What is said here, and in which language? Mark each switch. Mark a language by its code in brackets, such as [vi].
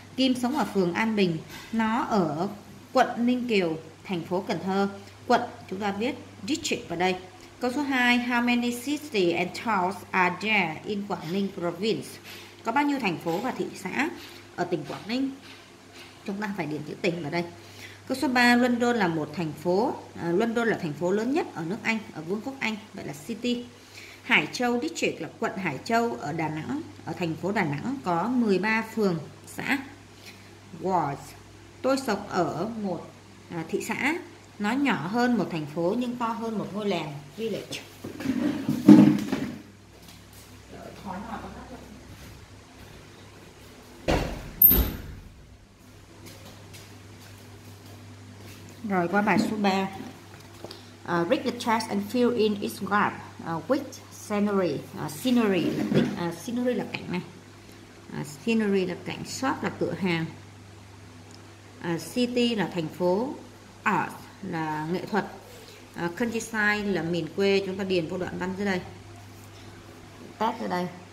[vi] Kim sống ở phường An Bình. Nó ở quận Ninh Kiều, thành phố Cần Thơ. Quận chúng ta viết district vào đây. Câu số 2, [en] how many cities and towns are there in Quảng Ninh province? [vi] Có bao nhiêu thành phố và thị xã ở tỉnh Quảng Ninh? Chúng ta phải điền chữ tỉnh vào đây. Câu số 3, London là một thành phố, London là thành phố lớn nhất ở nước Anh, ở Vương quốc Anh, vậy là city. Hải Châu district là quận Hải Châu ở Đà Nẵng, ở thành phố Đà Nẵng có 13 phường xã. Ward. Tôi sống ở một thị xã. Nó nhỏ hơn một thành phố nhưng to hơn một ngôi làng, village. Rồi qua bài số 3. [en] Read the text and fill in its gap with scenery. [vi] Scenery là cảnh này. Scenery là cảnh, shop là cửa hàng. City là thành phố. Art là nghệ thuật, countryside là miền quê, chúng ta điền vô đoạn văn dưới đây, test dưới đây.